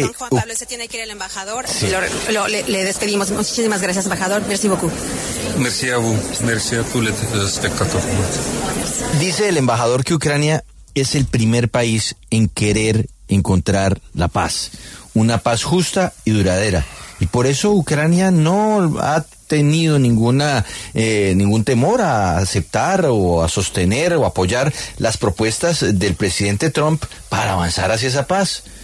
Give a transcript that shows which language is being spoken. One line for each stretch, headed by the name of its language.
Spanish: Perdón, Juan Pablo, se tiene que ir el embajador. Sí. Le despedimos. Muchísimas gracias, embajador.
French: Merci beaucoup. Merci a vous. Merci a tous les spectateurs.
Spanish: Dice el embajador que Ucrania es el primer país en querer encontrar la paz. Una paz justa y duradera. Y por eso Ucrania no ha tenido ningún temor a aceptar o a sostener o apoyar las propuestas del presidente Trump para avanzar hacia esa paz.